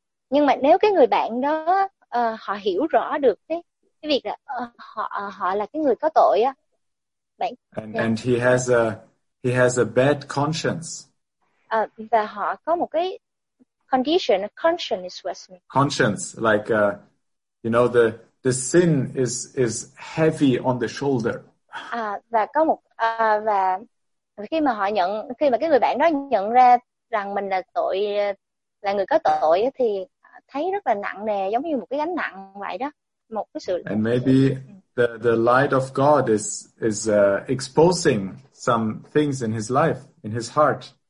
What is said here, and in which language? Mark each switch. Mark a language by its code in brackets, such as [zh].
[vi] Nhưng mà nếu cái người bạn đó họ hiểu rõ được cái việc là họ là cái người có tội á, bạn. [en] And he has a bad conscience. [vi] Và họ có một cái condition, [en] a conscience with me. Conscience, like you know, the sin is heavy on the shoulder. [vi] Và có một và khi mà họ nhận, khi mà cái người bạn đó nhận ra rằng mình là tội, là người có tội thì thấy rất là nặng nề, giống như một cái gánh nặng vậy đó, một cái sự. [en] And maybe the light of God is exposing some things in his life, in his heart.